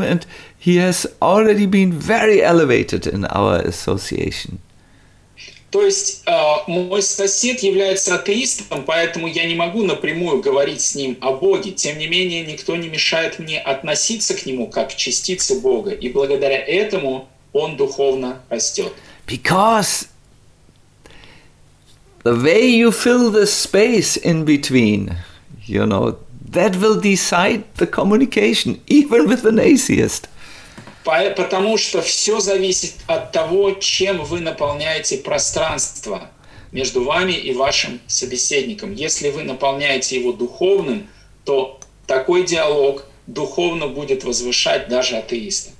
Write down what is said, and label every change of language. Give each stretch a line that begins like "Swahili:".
English: And he has already been very elevated in our association.
Russian: То есть мой сосед является атеистом, поэтому я не могу напрямую говорить с ним о Боге. Тем не менее, никто не мешает мне относиться к нему как к частице Бога, и благодаря этому он духовно растет.
English: Because the way you fill the space in between, you know, that will decide the communication, even with an atheist.
Russian: Потому что все зависит от того, чем вы наполняете пространство между вами и вашим собеседником. Если вы наполняете его духовным, то такой диалог духовно будет возвышать даже атеиста.